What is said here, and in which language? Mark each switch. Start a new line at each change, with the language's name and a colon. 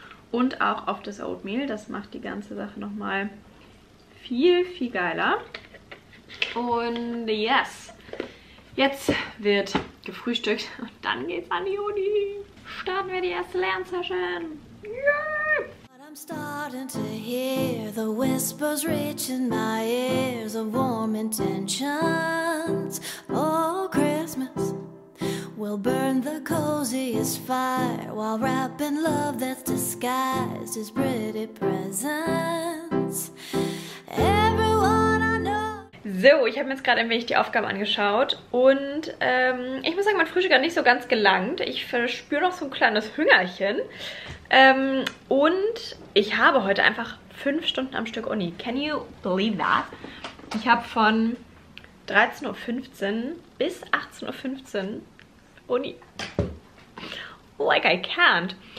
German: Und auch auf das Oatmeal. Das macht die ganze Sache nochmal viel, viel geiler. Und yes. Jetzt wird gefrühstückt und dann geht's an die Uni. Starten wir die erste Lernsession. Yay!
English: I'm starting to hear the whispers reach in my ears of warm intentions. Oh, Christmas. We'll burn the coziest fire while wrapping love that's disguised as pretty presents. Everyone I know.
German: So, ich habe mir jetzt gerade ein wenig die Aufgaben angeschaut und ich muss sagen, mein Frühstück hat nicht so ganz gelangt. Ich verspüre noch so ein kleines Hüngerchen. Und ich habe heute einfach 5 Stunden am Stück Uni.
English: Can you believe that?
German: Ich habe von 13.15 Uhr bis 18.15 Uhr. Uni.
English: Like I can't.